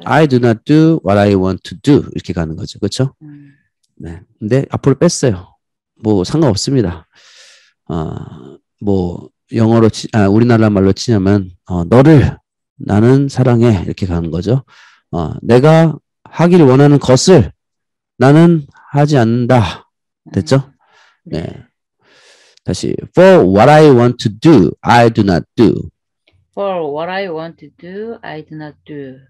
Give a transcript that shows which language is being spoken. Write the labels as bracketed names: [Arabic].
[English] I do not do what I want to do. [Korean] 이렇게 가는 거죠, 그렇죠? 네. 근데 앞으로 뺐어요. 뭐 상관없습니다. 뭐 영어로 아 우리나라 말로 치냐면 너를 나는 사랑해 이렇게 가는 거죠. 내가 하기를 원하는 것을 나는 하지 않는다. 됐죠? 네. 다시 [English] for what I want to do, I do not do. For what I want to do, I do not do.